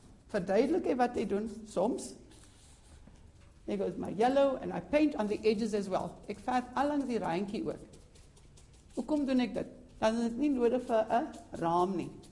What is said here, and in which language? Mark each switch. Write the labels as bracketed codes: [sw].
[af] Verduidelik wat jy doen, soms. [en] There goes my yellow, and I paint on the edges as well. [af] Ek vat al langs die raantjie ook. Hoekom doen ek dit? Dan is dit nie nodig vir 'n raam nie.